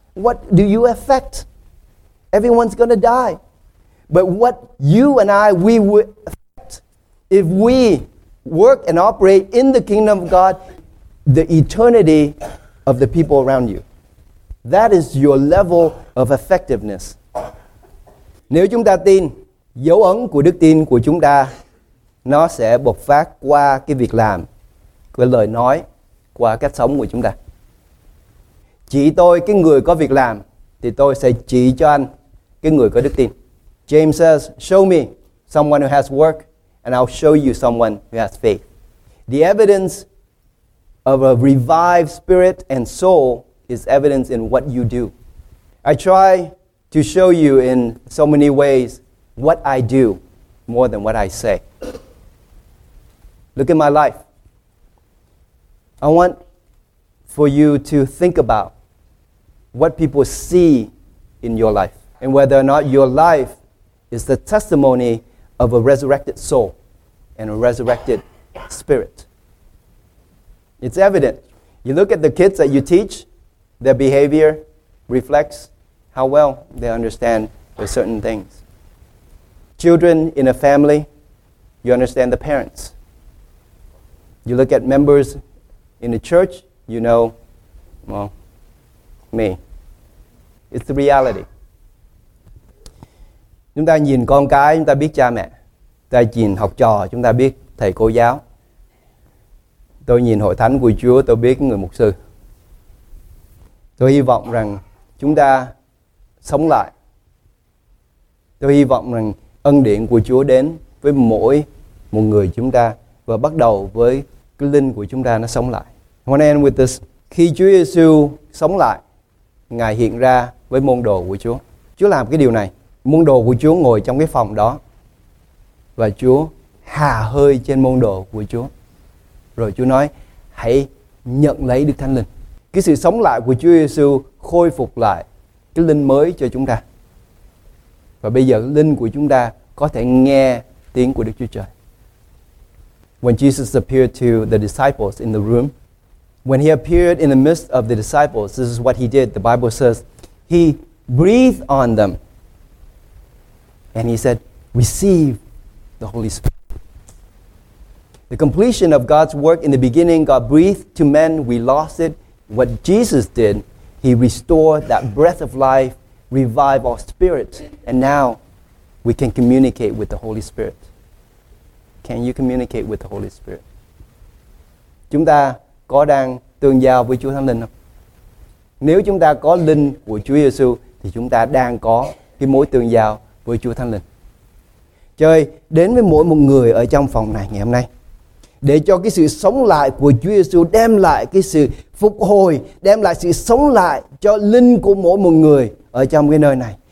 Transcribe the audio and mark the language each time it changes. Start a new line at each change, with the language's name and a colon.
English: What do you affect? Everyone's going to die. But what you and I, we would affect if we work and operate in the kingdom of God, the eternity of the people around you. That is your level of effectiveness.
Vietnamese: Nếu chúng ta tin, dấu ấn của đức tin của chúng ta, nó sẽ bộc phát qua cái việc làm, qua lời nói, qua cách sống của chúng ta. Chỉ tôi cái người có việc làm, thì tôi sẽ chỉ cho anh cái người có đức tin.
English: James says, show me someone who has work, and I'll show you someone who has faith. The evidence of a revived spirit and soul is evidence in what you do. I try to show you in so many ways what I do more than what I say. Look at my life. I want for you to think about what people see in your life and whether or not your life is the testimony of a resurrected soul and a resurrected spirit. It's evident. You look at the kids that you teach, their behavior reflects how well they understand the certain things. Children in a family, you understand the parents. You look at members in the church, you know, well, me. It's the reality.
Vietnamese: Chúng ta nhìn con cái, chúng ta biết cha mẹ. Ta nhìn học trò, chúng ta biết thầy cô giáo. Tôi nhìn hội thánh của Chúa, tôi biết người mục sư. Tôi hy vọng rằng chúng ta sống lại. Tôi hy vọng rằng ân điển của Chúa đến với mỗi một người chúng ta và bắt đầu với cái linh của chúng ta nó sống lại.
English: I want to end with this.
Vietnamese: Khi Chúa Giêsu sống lại, Ngài hiện ra với môn đồ của Chúa. Chúa làm cái điều này. Môn đồ của Chúa ngồi trong cái phòng đó và Chúa hà hơi trên môn đồ của Chúa. Rồi Chúa nói, hãy nhận lấy Đức Thánh Linh. Cái sự sống lại của Chúa Giêsu khôi phục lại cái linh mới cho chúng ta. Và bây giờ linh của chúng ta có thể nghe tiếng của Đức Chúa Trời.
English: When Jesus appeared to the disciples in the room, when he appeared in the midst of the disciples, this is what he did. The Bible says, he breathed on them. And he said, receive the Holy Spirit. The completion of God's work in the beginning, God breathed to men, we lost it. What Jesus did, he restored that breath of life, revived our spirit, and now we can communicate with the Holy Spirit. Can you communicate with the Holy Spirit?
Vietnamese: Chúng ta có đang tương giao với Chúa Thánh Linh không? Nếu chúng ta có linh của Chúa Giêsu thì chúng ta đang có cái mối tương giao với Chúa Thánh Linh. Trời đến với mỗi một người ở trong phòng này ngày hôm nay để cho cái sự sống lại của Chúa Giêsu đem lại cái sự phục hồi, đem lại sự sống lại cho linh của mỗi một người ở trong cái nơi này.